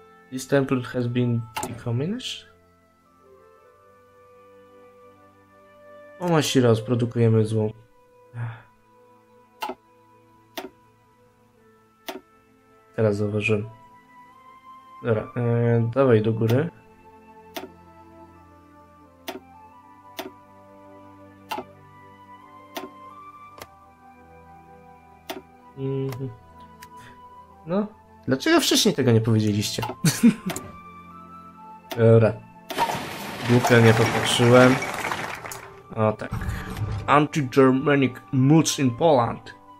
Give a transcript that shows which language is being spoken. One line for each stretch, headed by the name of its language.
English: This temple has been decommissioned?
Polish: O, ma się rozprodukujemy złą. Teraz zauważyłem. Dobra, dawaj do góry. No, dlaczego wcześniej tego nie powiedzieliście? Dobra. Głupio nie popatrzyłem. O tak.
English: Anti-Germanic moods in Poland.